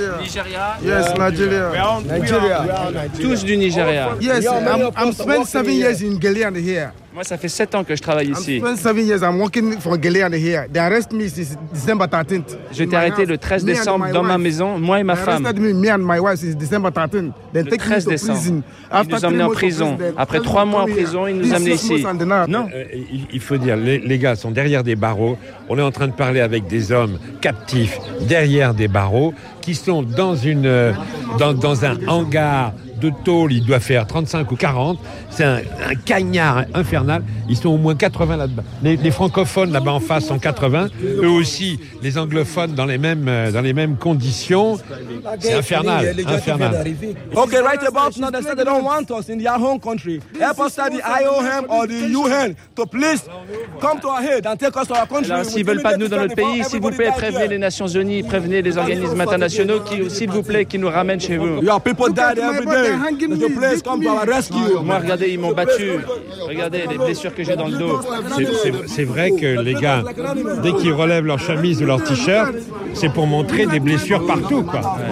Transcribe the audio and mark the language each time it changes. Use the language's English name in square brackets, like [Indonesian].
[English] Nigeria. Yes, Nigeria. [French] Nigeria. Tous du Nigeria. [English] Yes, I'm spent 7 years in Galean here. [French] Moi, ça fait 7 ans que je travaille ici. [English] I'm spent 7 years. I'm working for Galean here. They arrest me since December 13th. [French] Je t'ai arrêté le 13 décembre dans ma maison, moi et ma femme. [English] They arrested me and my wife since December 13th. [French] Le 13 décembre. Ils nous ont emmenés en prison. Après 3 mois en prison, ils nous ont amenés ici. Non. Il faut dire, les gars sont derrière des barreaux. On est en train de parler avec des hommes captifs derrière des barreaux qui sont dans un hangar de tôle. Il doit faire 35 ou 40. C'est un cagnard infernal. Ils sont au moins 80 là-dedans. Les francophones là-bas en face sont 80. Eux aussi, les anglophones dans les mêmes conditions. C'est infernal. Infernal. [English] OK, right about now, they said they don't want us in their home country. Help us at the IOM or the UN to please come to our head and take us to our country. [French] S'ils ne veulent pas de nous dans notre pays, s'il vous plaît, prévenez les Nations Unies, prévenez les organismes internationaux qui, s'il vous plaît, qui nous ramènent chez vous. [English] Your people died every day. The police come to our rescue. [French] Moi, regardez, ils m'ont battu. Regardez les blessures que j'ai dans le dos. C'est vrai que les gars, dès qu'ils relèvent leur chemise ou leur t-shirt, c'est pour montrer des blessures partout, quoi.